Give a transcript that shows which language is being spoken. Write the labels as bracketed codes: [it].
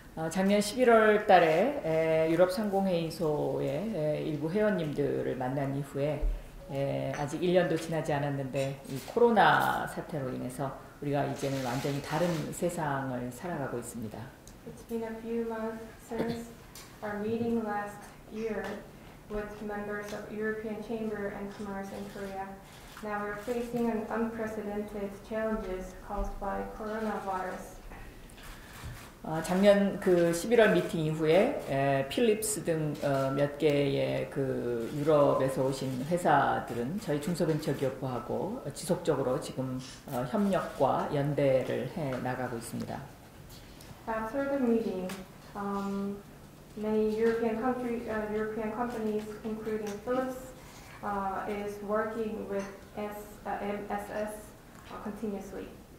[ko] 작년 11월 달에 유럽 상공회의소의 일부 회원님들을 만난 이후에 아직 1년도 지나지 않았는데 이 코로나 사태로 인해서 우리가 이제는 완전히 다른 세상을 살아가고 있습니다. [en] It's been a few months since our meeting last year with members of European Chamber and Commerce in Korea. Now we're facing an unprecedented challenges caused by coronavirus. [ko] 작년 그 11월 미팅 이후에 필립스 등 몇 개의 그 유럽에서 오신 회사들은 저희 중소벤처기업부하고 지속적으로 지금 협력과 연대를 해 나가고 있습니다. [en] After the meeting, many European companies, including Philips, is working with MSS continuously.